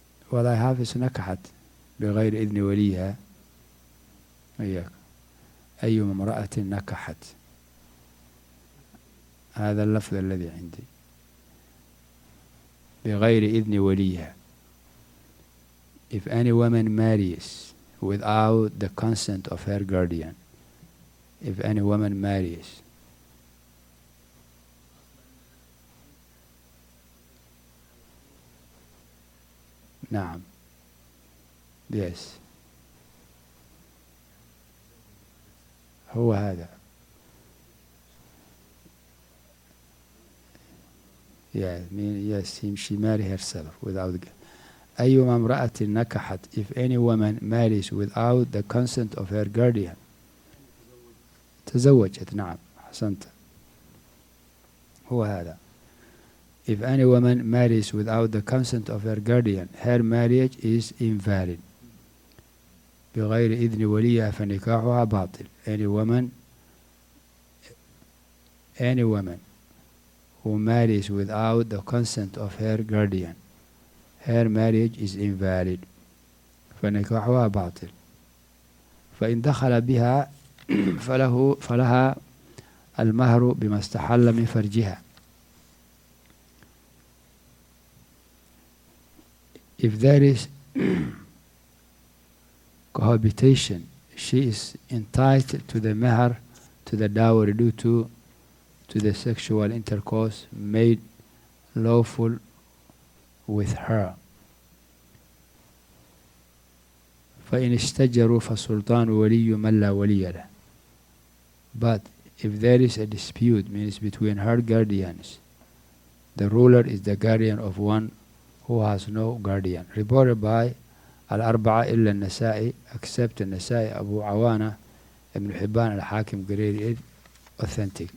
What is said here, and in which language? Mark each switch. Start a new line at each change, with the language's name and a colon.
English: What I have is
Arabic: نكحت بغير إذن وليها. إياك. أيما امرأة نكحت هذا اللفظ الذي عندي بغير إذن وليها.
English: If any woman marries without the consent of her guardian, if any woman marries,
Arabic: نعم,
English: yes,
Arabic: هو هذا.
English: Yeah, mean yes, she married herself without.
Arabic: أيما امرأة نكحت,
English: if any woman marries without the consent of her guardian,
Arabic: تزوجت, نعم, حسنت. هو هذا.
English: If any woman marries without the consent of her guardian, her marriage is invalid.
Arabic: بغير إذن وليها فنكاحها باطل.
English: Any woman who marries without the consent of her guardian, her marriage is invalid.
Arabic: فَنِكَاحُهَا بَاطِلٌ فَإِنْ دَخَلَ بِهَا فَلَهَا الْمَهْرُ بِمَا اسْتَحَلَّ مِنْ فَرْجِهَا.
English: If there is cohabitation, she is entitled to the mahr, to the dowry due to the sexual intercourse made lawful with her.
Arabic: فإن استجروا فسلطان ولي من لا ولي له.
English: But if there is a dispute, means between her guardians, the ruler is the guardian of one who has no guardian. Reported by Al-Arba'a illa al-Nasa'i, except al-Nasa'i, Abu Awana, Ibn Hibban al-Hakim, graded authentic.